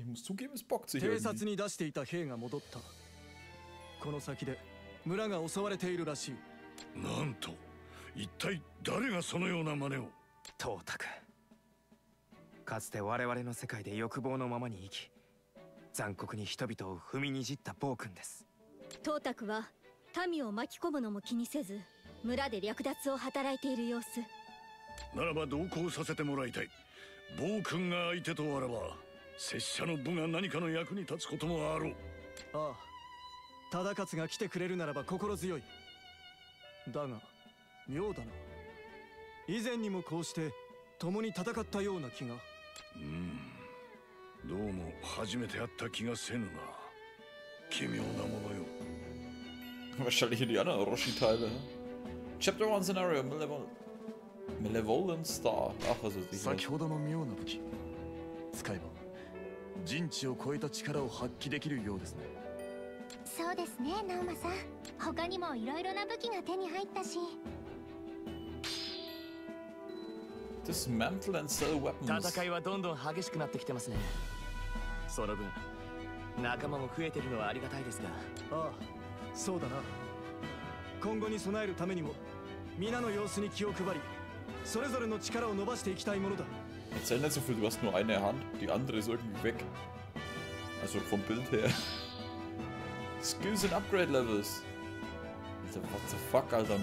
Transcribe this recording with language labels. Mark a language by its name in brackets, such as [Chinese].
[German] Ich muss zugeben, es bockt sich irgendwie. Die Polizei hat die Soldaten zurückgebracht. [Japanese] この先で村が襲われているらしい。なんと、一体誰がそのような真似を。トータク。かつて我々の世界で欲望のままに生き、残酷に人々を踏みにじった暴君です。トータクは民を巻き込むのも気にせず、村で略奪を働いている様子。ならば同行させてもらいたい。暴君が相手とあらば、拙者の部が何かの役に立つこともあろう。ああ。忠勝が来てくれるならば心強い。だが妙だな。以前にもこうして共に戦ったような気が。どうも初めて会った気がせぬな。奇妙なものよ。 [German] Wahrscheinlich in die anderen Roshi-Teile. [English] Chapter 1 Scenario Malevolent Star. [German] Ach, was ist das? [Japanese] 先ほどの妙な武器使えば人知を超えた力を発揮できるようですね。そうですね、ナウマさん。他にもいろいろな武器が手に入ったし。 [English] Dismantle and sell weapons。 [Japanese] 戦いはどんどん激しくなってきてますね。その分、仲間も増えてるのはありがたいですが。ああ、そうだな。今後に備えるためにも、皆の様子に気を配り、それぞれの力を伸ばしていきたいものだ。 [German] Erzähl nicht so viel, du hast nur eine Hand. Die andere ist irgendwie weg. Also vom Bild her. [English] Skills and Upgrade Levels. Alter, what the fuck, Alter?